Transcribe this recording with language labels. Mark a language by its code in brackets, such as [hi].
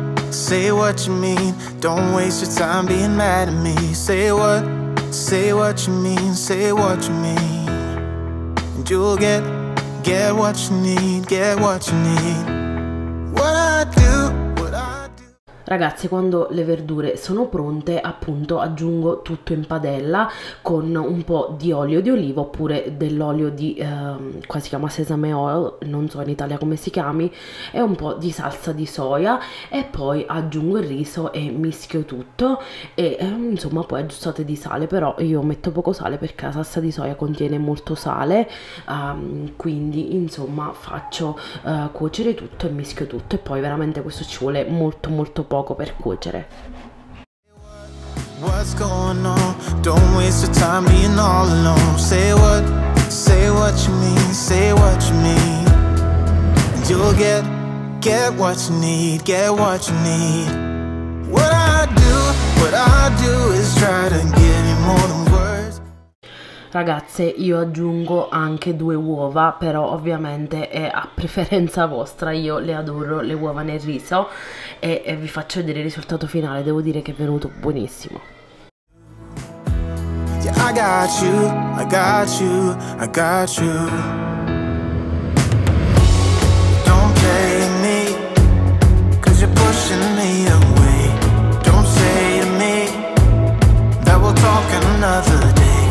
[en] Say what you mean. Don't waste your time being mad at me. Say what you mean, say what you mean. And you'll get what you need, get what you need. What I do. [it] Ragazzi, quando le verdure sono pronte, appunto aggiungo tutto in padella con un po' di olio di olivo oppure dell'olio di, qua si chiama [en] sesame oil, [it] non so in Italia come si chiami, e un po' di salsa di soia, e poi aggiungo il riso e mischio tutto, e insomma poi aggiustate di sale, però io metto poco sale perché la salsa di soia contiene molto sale, quindi insomma faccio cuocere tutto e mischio tutto, e poi veramente questo ci vuole molto molto poco per cuocere. [en] What's going on? Don't waste your time being all alone. Say what you mean, say what you mean. And you'll get what you need, get what you need. What I do is try to give you more than. [it] Ragazze, io aggiungo anche due uova, però ovviamente è a preferenza vostra, io le adoro le uova nel riso e vi faccio vedere il risultato finale, devo dire che è venuto buonissimo. [en] Yeah, I got you, I got you, I got you. Don't play me, cause you're pushing me away. Don't say to me that we'll talk another day.